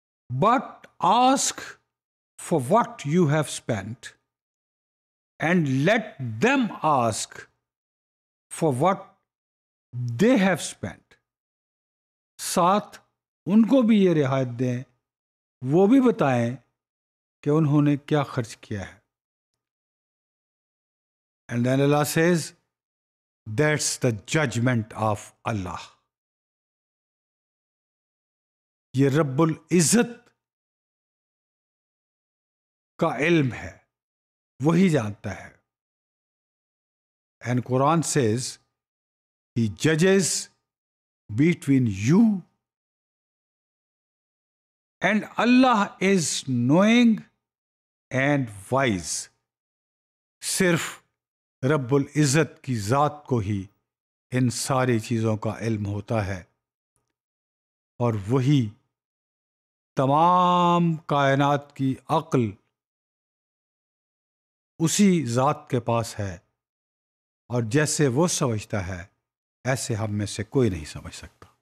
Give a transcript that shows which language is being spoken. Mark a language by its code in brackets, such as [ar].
[en] but ask for what you have spent, [ur] and let them ask for what they have spent. ساتھ ان کو بھی یہ رعایت دیں، وہ بھی بتائیں کہ انہوں نے کیا خرچ کیا ہے۔ [en] And then Allah says, that's the judgment of Allah. [ur] یہ رب العزت کا علم ہے, وہی جانتا ہے. [en] And Quran says, He judges between you and Allah is knowing and wise. [ur] صرف رب العزت کی ذات کو ہی ان ساری چیزوں کا علم ہوتا ہے, اور وہی تمام کائنات کی عقل اسی ذات کے پاس ہے, اور جیسے وہ سمجھتا ہے ایسے ہم میں سے کوئی نہیں سمجھ سکتا.